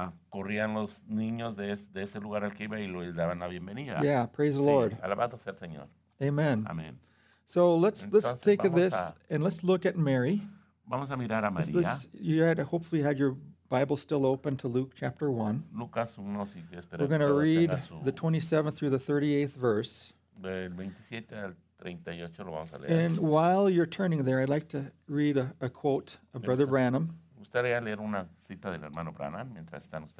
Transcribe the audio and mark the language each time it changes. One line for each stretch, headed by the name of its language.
Spanish: Corrían los niños de ese lugar al que iba y le daban la bienvenida.
English: Yeah, praise
Spanish: sí,
English: the Lord.
Spanish: Alabado sea el Señor. Amen. Amen.
English: So let's take this and let's look at Mary.
Spanish: Vamos a mirar a María. This,
English: you had hopefully had your Bible still open to Luke chapter 1.
Spanish: Lucas 1, si quieres, pero
English: we're going to read the 27th through the 38th verse.
Spanish: Del 27 al 38, lo vamos a leer.
English: And while you're turning there, I'd like to read a quote of Brother Branham.
Spanish: ¿Gustaría leer una cita del hermano Branham mientras están ustedes